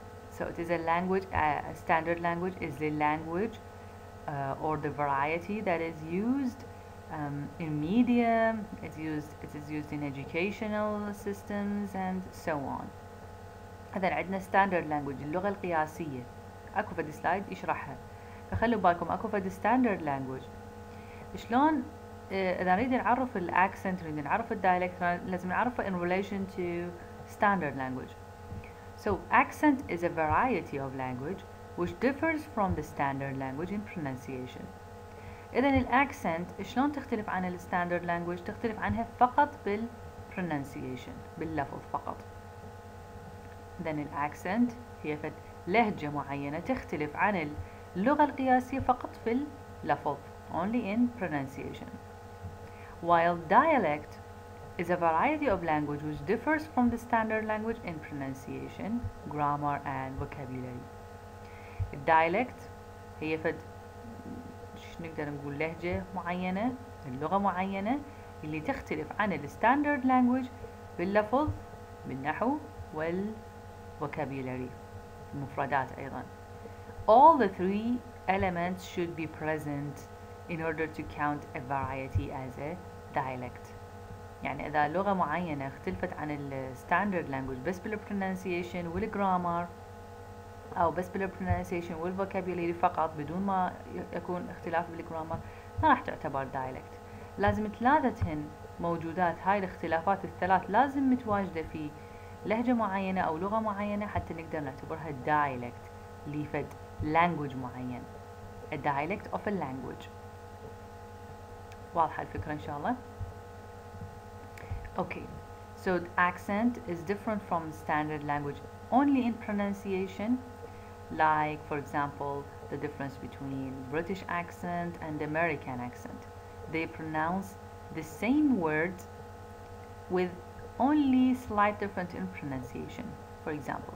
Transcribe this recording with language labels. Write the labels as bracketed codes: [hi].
[en] So it is a language, a standard language is the language or the variety that is used in media, it is used in educational systems and so on. [ar] إذن عندنا standard language اللغة القياسية. أكو فد سلايد يشرحها. فخلوا بالكم أكو فد standard language. شلون إذا نريد نعرف ال accent نريد نعرف ال dialect لازم نعرفه in relation to standard language. [en] So accent is a variety of language which differs from the standard language in pronunciation. [ar] إذن ال accent شلون تختلف عن ال standard language؟ تختلف عنها فقط بال pronunciation باللفظ فقط. Then the accent هي فت لهجة معينة تختلف عن اللغة القياسية فقط في اللفظ [en] only in pronunciation. While dialect is a variety of language which differs from the standard language in pronunciation, grammar and vocabulary. [ar] Dialect هي فت نقدر نقول لهجة معينة اللغة معينة اللي تختلف عن ال standard language باللفظ بالنحو وال vocabulary المفردات أيضا. [en] All the three elements should be present in order to count a variety as a dialect. [ar] يعني إذا لغة معينة اختلفت عن ال standard language بس بال pronunciation وال grammar أو بس بال pronunciation وال vocabulary فقط بدون ما يكون اختلاف بال grammar ما راح تعتبر dialect. لازم ثلاثتهن موجودات هاي الاختلافات الثلاث لازم متواجدة في لهجة معينة أو لغة معينة حتى نقدر نعتبرها dialect لفد language معين. [en] A dialect of a language. [ar] واضحة الفكرة إن شاء الله. [en] Okay, so the accent is different from standard language only in pronunciation. Like for example, the difference between British accent and American accent. They pronounce the same words with only slight difference in pronunciation, for example.